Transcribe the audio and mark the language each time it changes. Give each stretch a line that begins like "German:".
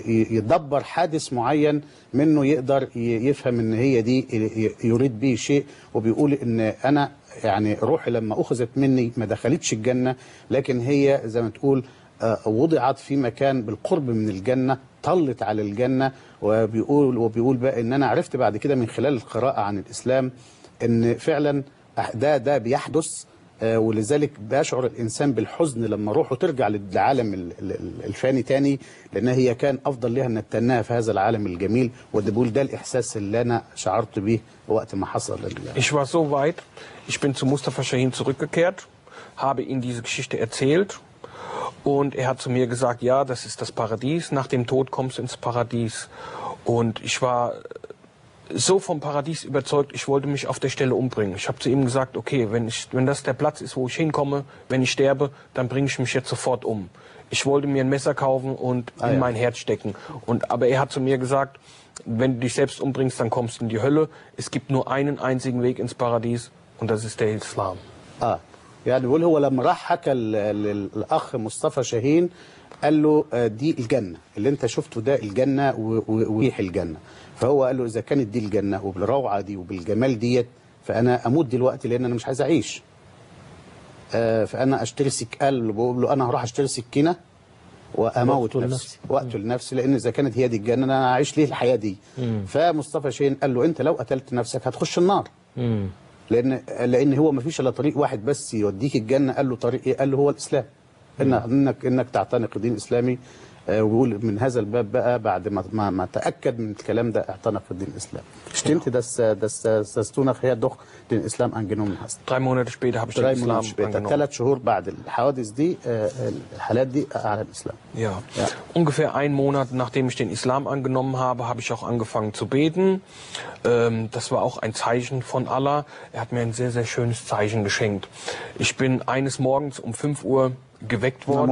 Arabic: يدبر حادث معين منه يقدر يفهم ان هي دي يريد به شيء وبيقول ان انا يعني روحي لما اخذت مني ما دخلتش الجنه لكن هي زي ما تقول وضعت في مكان بالقرب من الجنه طلت على الجنه وبيقول بقى ان انا عرفت بعد كده من خلال القراءه عن الاسلام ان فعلا ده بيحدث ولذلك بيشعر الإنسان بالحزن لما روحه ترجع للعالم الفاني تاني لأن هي كان أفضل لها أن تتناها في هذا العالم الجميل وده بيقول ده الإحساس اللي أنا شعرت به وقت ما حصل
German: Ich war so weit, ich bin zu Mustafa Shahin zurückgekehrt, habe ihm diese Geschichte erzählt und er hat zu mir gesagt, ja, das ist das Paradies, nach dem Tod kommst du ins Paradies und ich war so vom Paradies überzeugt, ich wollte mich auf der Stelle umbringen. Ich habe zu ihm gesagt, okay, wenn das der Platz ist, wo ich hinkomme, wenn ich sterbe, dann bringe ich mich jetzt sofort um. Ich wollte mir ein Messer kaufen und in mein Herz stecken. Aber er hat zu mir gesagt, wenn du dich selbst umbringst, dann kommst du in die Hölle. Es gibt nur einen einzigen Weg ins Paradies und das ist der Islam. Ah, ja, du wolltest, wenn er Ach
Arabic: Mustafa Shahin قال له دي الجنة اللي انت شفته ده الجنة وريح الجنة فهو قال له إذا كانت دي الجنة وبالروعة دي وبالجمال ديت فأنا أموت دلوقتي لأن أنا مش عايز أعيش فأنا أشتري سكينة قال له أنا هروح أشتري سكينة وأموت نفسي وأقتل نفسي لأن إذا كانت هي دي الجنة أنا أعيش ليه الحياة دي فمصطفى شاهين قال له أنت لو قتلت نفسك هتخش النار لأن هو ما فيش إلا طريق واحد بس يوديك الجنة قال له طريق إيه قال له هو الإسلام إنك تعتنق الدين الإسلامي ويقول من هذا الباب بقى بعد ما تأكد من الكلام ده اعتنق الدين الإسلامي.
German: Stimmt das du nachher doch den Islam angenommen hast? Drei Monate später habe ich den Islam angenommen.
Arabic: ثلاث شهور بعد الحوادث دي الحالات دي على الإسلام.
German: Ja. Ungefähr einen Monat, nachdem ich den Islam angenommen habe, habe ich auch angefangen zu beten. Das war auch ein Zeichen von Allah. Er hat mir ein sehr, sehr schönes Zeichen geschenkt. Ich bin eines Morgens um 5 Uhr geweckt worden.